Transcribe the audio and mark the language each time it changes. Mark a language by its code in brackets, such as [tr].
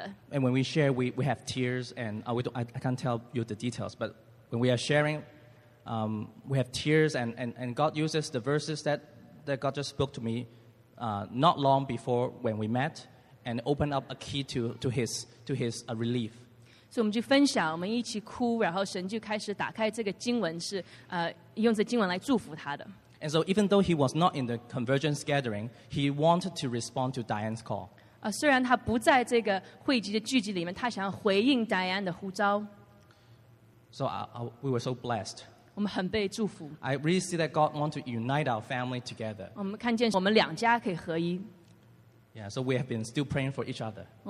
[en] And when we share, we have tears, and I can't tell you the details, but when we are sharing, we have tears, and God uses the verses that God just spoke to me not long before when we met, and open up a key to his relief. [zh] 所以我们就分享，我们一起哭，然后神就开始打开这个经文，是用这经文来祝福他的。 [en] And so even though he was not in the convergence gathering, he wanted to respond to Diane's call. [zh] 虽然他不在这个会籍的聚集里面，他想回应Diane的呼召。 [en] So we were so blessed. [zh] 我们很被祝福。 [en] I really see that God wants to unite our family together. [zh] 我们看见我们两家可以合一。 [en] Yeah, so we have been still praying for each other.